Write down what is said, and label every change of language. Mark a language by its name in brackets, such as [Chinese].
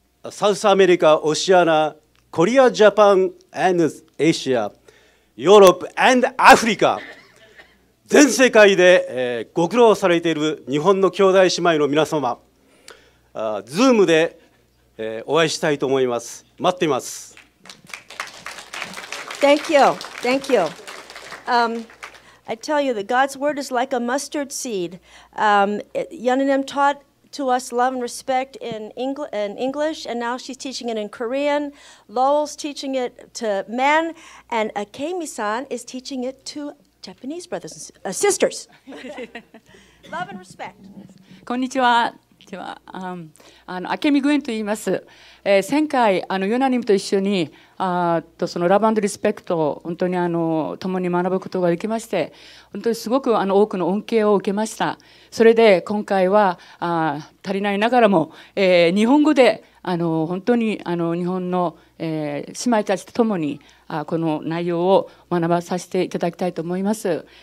[Japanese] サウスアメリカ、オシアナ、コリア、ジャパン、アンド、アフリカ、全世界でご苦労されている日本の兄弟姉妹の皆様、ズームでお会いしたいと思います。待っています。 [English] I tell you that God's word is like a mustard seed. Yeonanim taught to us love and respect in English, and now she's teaching it in Korean. Lowell's teaching it to men, and Akemi-san is teaching it to Japanese brothers and sisters. Love and respect. [Japanese] Konnichiwa. ては、明美グエンと言います。前回ヨナニムと一緒にそのラブ&リスペクトを本当に共に学ぶことができまして、本当にすごく多くの恩恵を受けました。それで今回は足りないながらも、日本語で本当に日本の、姉妹たちと共にこの内容を学ばさせていただきたいと思います。